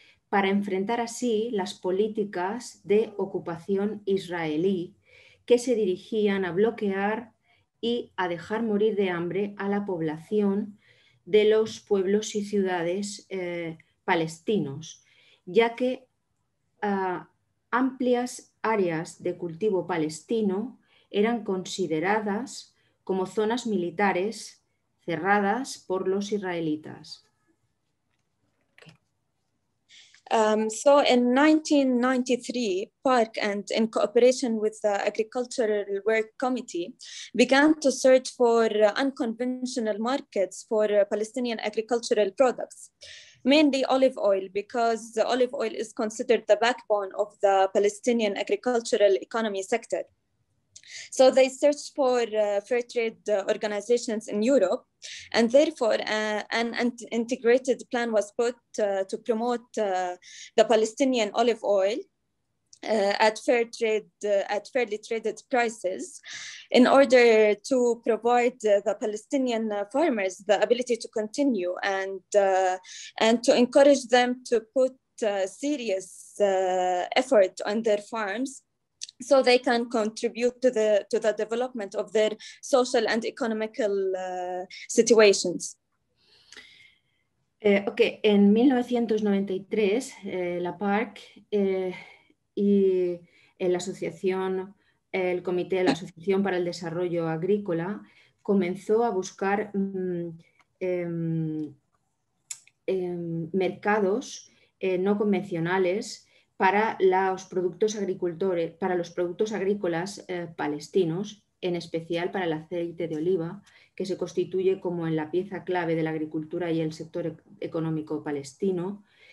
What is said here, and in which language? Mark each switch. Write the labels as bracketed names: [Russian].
[Spanish] para enfrentar así las políticas de ocupación israelí que se dirigían a bloquear y a dejar morir de hambre a la población de los pueblos y ciudades palestinos, ya que amplias áreas de cultivo palestino eran consideradas como zonas militares cerradas por los israelitas. [English] So in 1993, PARC, and in cooperation with the Agricultural Work Committee, began to search for unconventional markets for Palestinian agricultural products. mainly olive oil, because the olive oil is considered the backbone of the Palestinian agricultural economy sector. So they searched for fair trade organizations in Europe, and therefore an integrated plan was put to promote the Palestinian olive oil at fair trade, at fairly traded prices, in order to provide the Palestinian farmers the ability to continue and to encourage them to put serious effort on their farms, so they can contribute to the development of their social and economical situations. [Spanish] Okay, en 1993, la PARC y la asociación, el Comité de la Asociación para el Desarrollo Agrícola, comenzó a buscar mercados no convencionales para los productos agricultores, para los productos agrícolas palestinos, en especial para el aceite de oliva, que se constituye como en la pieza clave de la agricultura y el sector económico palestino.